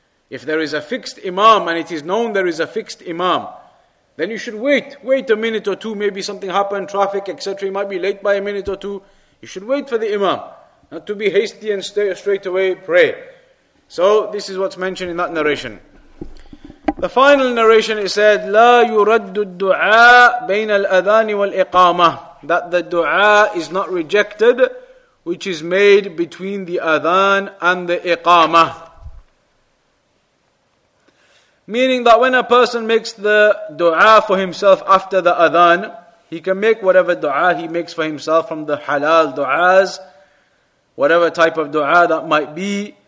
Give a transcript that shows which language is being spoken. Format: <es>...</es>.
<en>If there is a fixed imam and it is known there is a fixed imam, then you should wait. Wait a minute or two. Maybe something happened, traffic, etc. You might be late by a minute or two. You should wait for the imam. Not to be hasty and straight away pray. So this is what's mentioned in that narration. The final narration, it said,</en> <ar>لا يرد الدعاء بين الأذان والإقامة.</ar> <en>That the dua is not rejected, which is made between the adhan and the iqama. Meaning that when a person makes the dua for himself after the adhan, he can make whatever dua he makes for himself from the halal du'as, whatever type of dua that might be.</en>